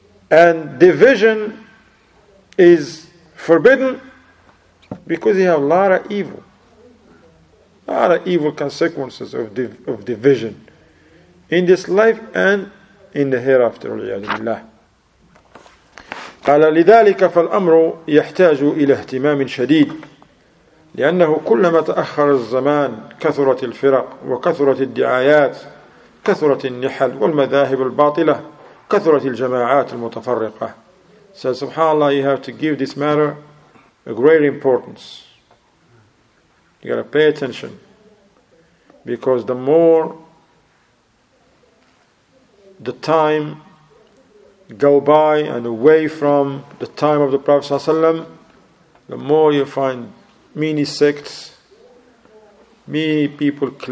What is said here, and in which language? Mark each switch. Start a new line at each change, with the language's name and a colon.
English: And division is forbidden because you have a lot of evil. A lot of evil consequences of division in this life and in the hereafter.
Arabic: قال لذلك فالأمر يحتاج إلى اهتمام شديد لأنه كلما تأخر الزمان كثرت الفرق وكثرت الدعايات كثرت النحل والمذاهب الباطلة كثرت الجماعات المتفرقة.
English: So subhanAllah, you have to give this matter a great importance. You gotta pay attention, because the more the time go by and away from the time of the Prophet ﷺ, the more you find many sects, many people claim